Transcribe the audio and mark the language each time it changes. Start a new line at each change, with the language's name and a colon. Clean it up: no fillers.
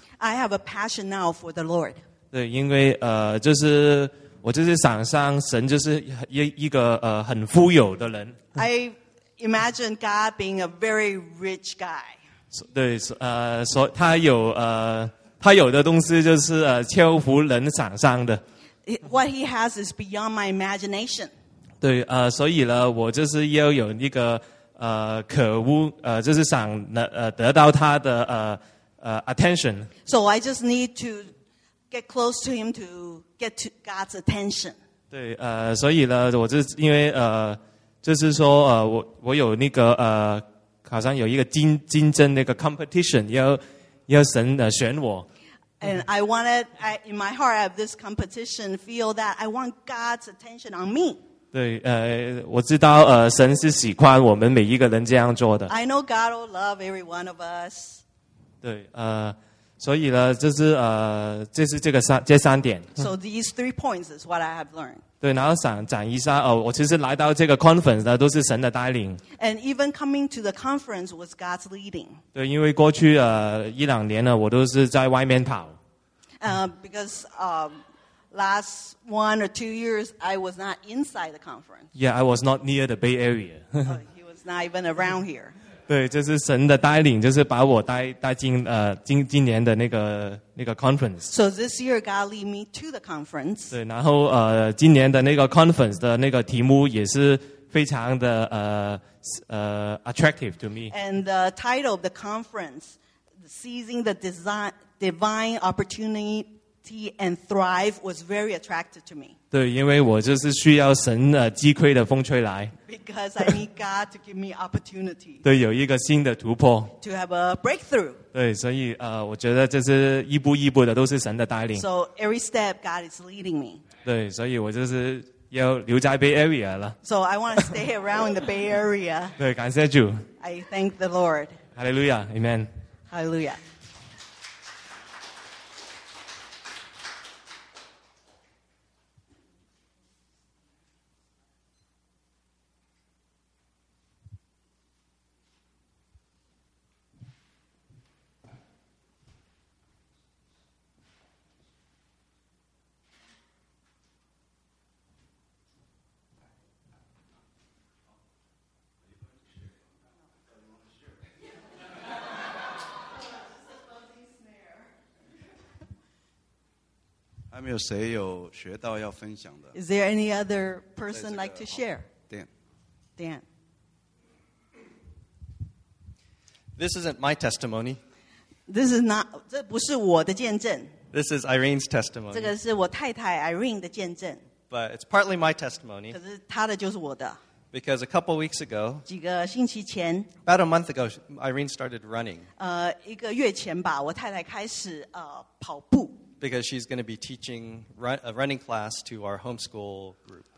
English: I have a passion now for the Lord.
Chinese: 对，因为就是我就是想象神就是一个很富有的人。
English: Imagine God being a very rich guy.
Chinese: 对，他有的东西就是超乎人想象的。
English: What he has is beyond my imagination.
Chinese: 对，所以呢，我就是要有一个渴慕，就是想得到他的attention.
English: So I just need to get close to him to get to God's attention.
Chinese: 对，所以呢，我就因为就是说我有那个好像有一个竞争那个 competition， 要神选我。
English: And I wanted, in my heart, I have this competition, feel that I want God's attention on me.
Chinese: 对，我知道神是喜欢我们每一个人这样做的。
English: I know God will love every one of us.
Chinese: 对，所以呢，就是这是这三点。
English: So these three points is what I have learned.
Chinese: 对，然后想讲一下我其实来到这个 conference 呢，都是神的带领。
English: And even coming to the conference was God's leading.
Chinese: 对，因为过去一两年呢，我都是在外面跑。
English: Because last one or two years, I was not inside the conference. Yeah, I was not near the Bay Area. He was not even around here.
Chinese: 对，就是神的带领，就是把我带进今年的那个 conference。
English: So this year God lead me to the conference。
Chinese: 对，然后今年的那个 conference 的那个题目也是非常的
English: attractive to me。 And the title of the conference, seizing the divine opportunity and thrive, was very attractive to me。
Chinese: 对，因为我就是需要神击溃的风吹来。
English: Because I need God to give me opportunity.
Chinese: 对，有一个新的突破。
English: To have a breakthrough.
Chinese: 对，所以我觉得这是一步一步的都是神的带领。
English: So every step God is leading me.
Chinese: 对，所以我就是要留在 Bay Area 了。
English: So I want to stay around the Bay Area.
Chinese: 对，感谢主。
English: I thank the Lord. Hallelujah, Amen. Hallelujah.
Chinese: 没有谁有学到要分享的。
English: Is there any other person like to share? Dan. Dan. This isn't my testimony. This is not.
Chinese: 这不是我的见证。
English: This is Irene's testimony.
Chinese: 这个是我太太 Irene 的见证。
English: But it's partly my testimony.
Chinese: 可是她的就是我的。
English: Because a couple weeks ago,
Chinese: 几个星期前,
English: about a month ago, Irene started running.
Chinese: 一个月前吧, 我太太开始, 跑步,
English: because she's going to be teaching a running class to our homeschool group.